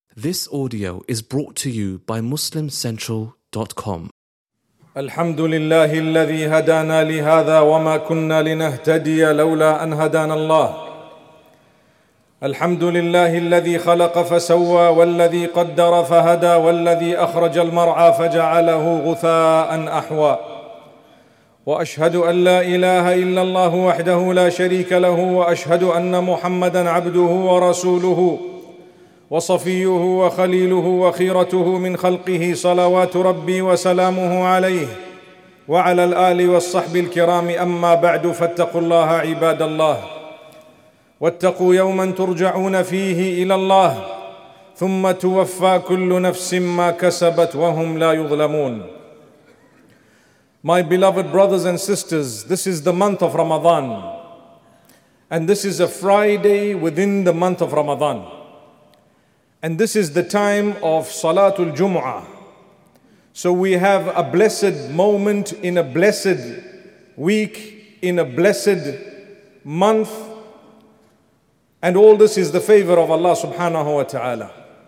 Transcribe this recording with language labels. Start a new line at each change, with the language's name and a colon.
English: This audio is brought to you by MuslimCentral.com.
Arabic: الحمد لله الذي هدانا لهذا وما كنا لنهتدي لولا أن هدانا الله. الحمد لله الذي خلق فسوى والذي قدر فهدى والذي أخرج المرعى فجعله غثاء أحوى. وأشهد أن لا إله إلا الله وحده لا شريك له، وأشهد أن محمدًا عبده ورسوله وصفيه وخليله وخيرته من خلقه، صلوات ربي وسلامه عليه وعلى الآل والصحب الكرام. أما بعد، فاتقوا الله عباد الله، واتقوا يوماً ترجعون فيه إلى الله، ثم توفى كل نفس ما كسبت وهم لا يظلمون.
English: My beloved brothers and sisters, this is the month of Ramadan, and this is a Friday within the month of Ramadan, and this is the time of Salatul Jumu'ah. So we have a blessed moment in a blessed week, in a blessed month, and all this is the favor of Allah subhanahu wa ta'ala.